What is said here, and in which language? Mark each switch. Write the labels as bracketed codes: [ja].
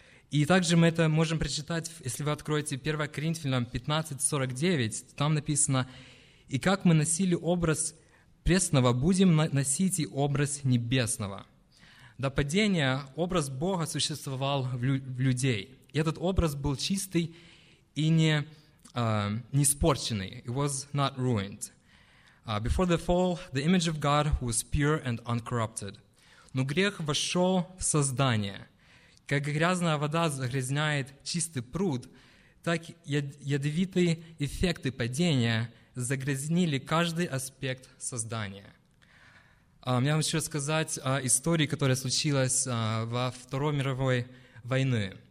[ru] И также мы это можем прочитать, если вы откроете 1 Коринфянам 15:49, там написано: «И как мы носили образ пресного, будем носить и образ небесного». До падения образ Бога существовал в людей. И этот образ был чистый и не испорченный. [en] It was not ruined. Before the fall, the image of God was pure and uncorrupted. [ru] Но грех вошел в создание. Как грязная вода загрязняет чистый пруд, так ядовитые эффекты падения загрязнили каждый аспект создания. Я вам хочу рассказать о истории, которая случилась во Второй мировой войне.